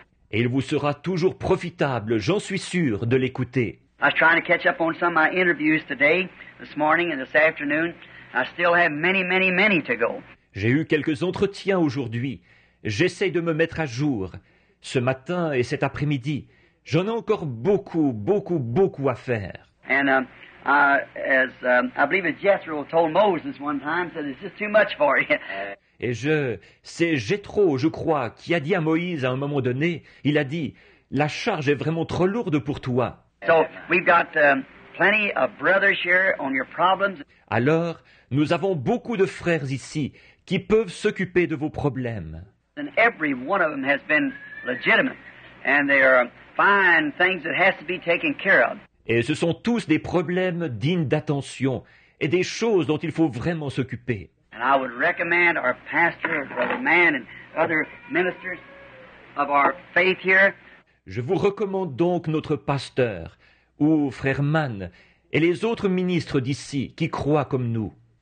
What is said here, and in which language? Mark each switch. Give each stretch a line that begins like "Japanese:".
French: Et il vous sera toujours profitable, j'en suis sûr, de l'écouter.
English: I was trying to catch up on some of my interviews today, this morning and this afternoon. I still have many, many, many to go.
French: J'ai eu quelques entretiens aujourd'hui. J'essaye de me mettre à jour. Ce matin et cet après-midi, j'en ai encore beaucoup, beaucoup, beaucoup à faire.
English: And I believe Jethro told Moses one time, said it's just too much for you.
French: Et c'est Jethro, je crois, qui a dit à Moïse à un moment donné, il a dit, la charge est vraiment trop lourde pour toi.
English: So we've got plenty of brothers here on your problems.
French: Alors, nous avons beaucoup de frères ici qui peuvent s'occuper de vos problèmes.
English: And every one of them has been legitimate, and they are fine things that has to be taken care of.
French: Et ce sont tous des problèmes dignes d'attention et des choses dont il faut vraiment s'occuper.
English: And I would recommend our pastor, Brother Mann, and other ministers of our faith here.
French: Je vous recommande donc notre pasteur ou Frère Mann et les autres ministres d'ici qui croient comme nous.